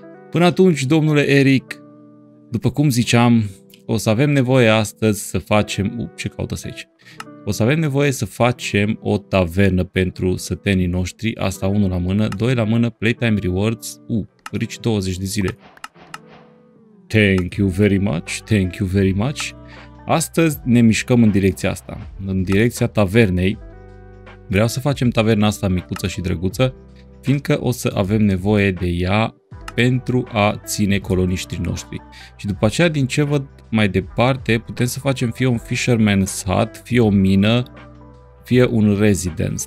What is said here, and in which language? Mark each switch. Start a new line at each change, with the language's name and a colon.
Romanian: Până atunci, domnule Eric, după cum ziceam, o să avem nevoie astăzi să facem... ce caută aici? O să avem nevoie să facem o tavernă pentru sătenii noștri. Asta unul la mână, doi la mână, playtime rewards. Rich 20 de zile.
English: Thank you very much, thank you very much.
Romanian: Astăzi ne mișcăm în direcția asta, în direcția tavernei. Vreau să facem taverna asta micuță și drăguță, fiindcă o să avem nevoie de ea pentru a ține coloniștii noștri. Și după aceea, din ce văd mai departe, putem să facem fie un fisherman's hut, fie o mină, fie un residence.